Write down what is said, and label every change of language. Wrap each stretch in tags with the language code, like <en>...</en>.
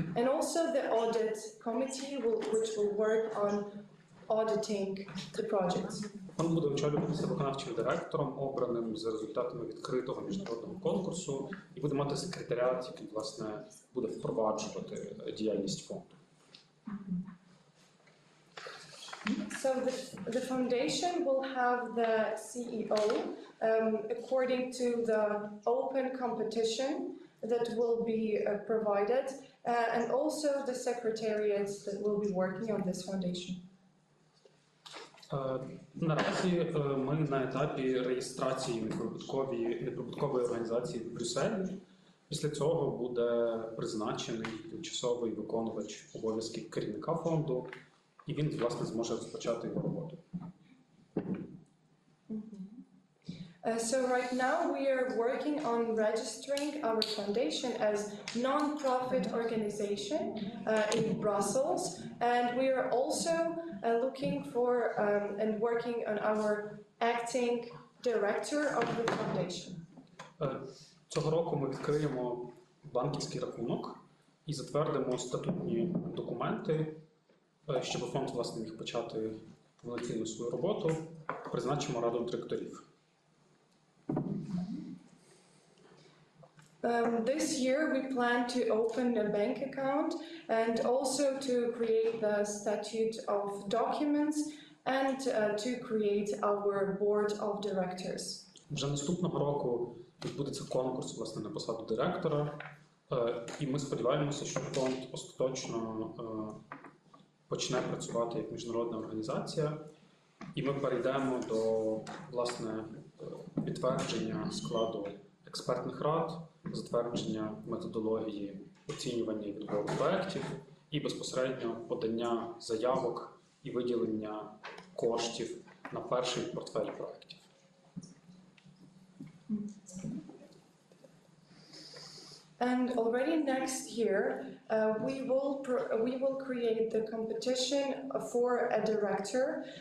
<en>And also the audit committee, which will work on auditing the projects.</en> <uk>Він буде очолюватися виконавчим директором, обраним за результатами відкритого міжнародного конкурсу, і буде мати секретаріат, який, власне, буде впроваджувати діяльність фонду.</uk> <en>So the foundation will have the CEO according to the open competition that will be provided, and also the secretariat that will be working on this foundation.</en> <uk>Наразі ми на етапі реєстрації неприбуткової організації в Брюсселі. Після цього буде призначений тимчасовий виконувач обов'язків керівника фонду, і він, власне, зможе розпочати його роботу.</uk> <en>So right now we are working on registering our foundation as non-profit organization in Brussels, and we are also looking for and working on our acting director of the foundation.</en> <uk>Цього року ми відкриємо банківський рахунок і затвердимо статутні документи, щоб фонд, власне, міг почати повноцінну свою роботу, призначимо раду директорів.</uk> <en>This year we plan to open a bank account and also to create the statute of documents and to create our board of directors.</en> <uk>Вже наступного року відбудеться конкурс, власне, на посаду директора, і ми сподіваємося, що фонд остаточно почне працювати як міжнародна організація, і ми перейдемо до, власне, підтвердження складу експертних рад, затвердження методології оцінювання і відбору проєктів і безпосередньо подання заявок і виділення коштів на перший портфель проєктів.</uk> <en>And already next year we will create the competition for a director.</en>